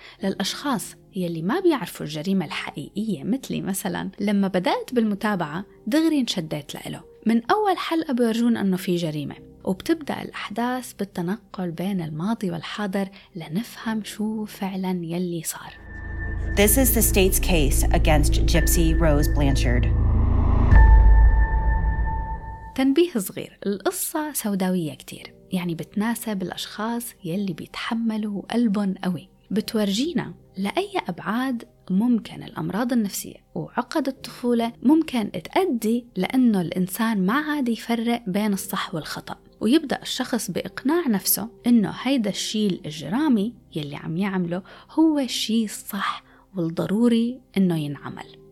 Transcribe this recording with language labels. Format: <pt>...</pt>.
<ar>للأشخاص يلي ما بيعرفوا الجريمة الحقيقية مثلي مثلا، لما بدأت بالمتابعة دغري انشديت لإله. من أول حلقة بيرجون أنه في جريمة، وبتبدأ الأحداث بالتنقل بين الماضي والحاضر لنفهم شو فعلا يلي صار.</ar> <en>This is the state's case against Gypsy Rose Blanchard.</en> <ar>تنبيه صغير، القصة سوداوية كتير، يعني بتناسب الأشخاص يلي بيتحملوا قلبهم قوي. بتورجينا لأي أبعاد ممكن الأمراض النفسية وعقد الطفولة ممكن تؤدي لأنه الإنسان ما عاد يفرق بين الصح والخطأ، ويبدأ الشخص بإقناع نفسه إنه هيدا الشيء الإجرامي يلي عم يعمله هو الشيء الصح والضروري إنه ينعمل.</ar>